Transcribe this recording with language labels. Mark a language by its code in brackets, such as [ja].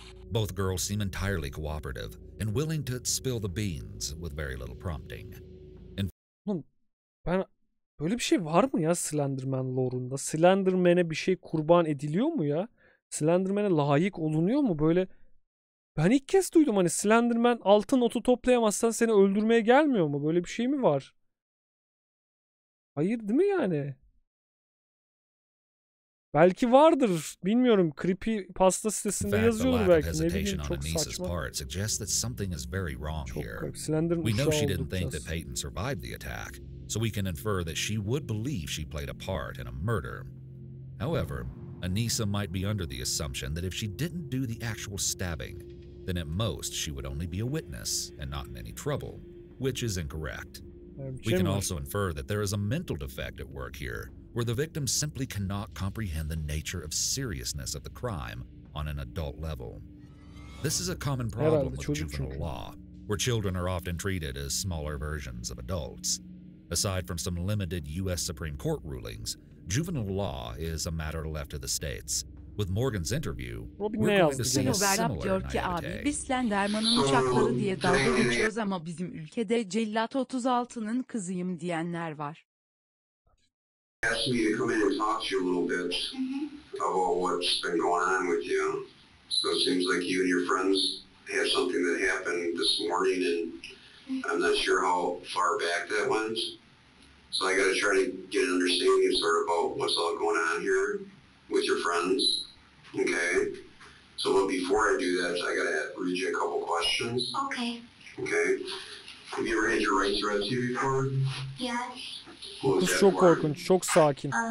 [en] Both girls seem entirely cooperative and willing to spill the beans with very little prompting. [tr] Ben böyle bir şey var mı ya Slenderman lore'unda? Slenderman'e bir şey kurban ediliyor mu ya? Slenderman'e layık olunuyor mu böyle? Ben ilk kez duydum hani Slenderman altın otu toplayamazsan seni öldürmeye gelmiyor mu? Böyle bir şey mi var? Hayır değil mi yani? Belki vardır. Bilmiyorum. Creepy pasta sitesinde yazıyordur belki. Ne bileyim, çok saçma. [en] Suggests that something is very wrong here. We know she didn't think that Peyton survived the attack, so we can infer that she would believe she played a part in a murder. However, Anissa might be under the assumption that if she didn't do the actual stabbing, then at most she would only be a witness and not in any trouble, which is incorrect. We can also infer that there is a mental defect at work here, where the victim simply cannot comprehend the nature of seriousness of the crime on an adult level. This is a common problem with juvenile law, where children are often treated as smaller versions of adults. Aside from some limited U.S. Supreme Court rulings, juvenile law is a matter left to the states. With Morgan's interview, Robin we're going to see a similar naivete. [tr] Diyor ki abi, biz Slenderman'ın uçakları diye dalga geçiyoruz ama bizim ülkede cellat 36'nın kızıyım diyenler var. [en] Asked me to come in and talk to you a little bit about what's been going on with you. So it seems like you and your friends had something that happened this morning, and I'm not sure how far back that went. So I got to try to get an understanding sort of about what's all going on here with your friends. Okay. So but before I do that, I got to read you a couple questions. Okay. Okay. Have you ever had your rights read to you before? Yes. [tr] Kız çok korkunç, çok sakin.